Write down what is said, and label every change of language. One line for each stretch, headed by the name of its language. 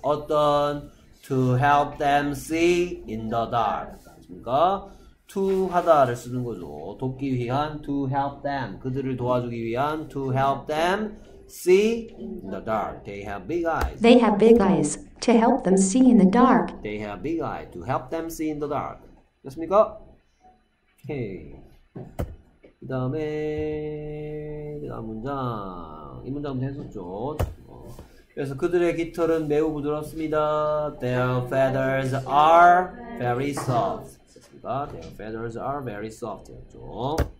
Korean: 어떤
English: to help them see in the dark.
Korean: 그러니까
English: to
Korean: 하다를 쓰는 거죠. 돕기 위한
English: to help them.
Korean: 그들을 도와주기 위한
English: to help them see in the dark. They have big eyes. They have big eyes to help them see in the dark. They have big eyes to help them see in the dark.
Korean: 됐습니까? 오케이. 그 다음에 그 다음 문장 이 문장도 했었죠. 그래서 그들의 깃털은 매우 부드럽습니다.
English: Their feathers are very soft. Their feathers are very soft.
Korean: 했죠.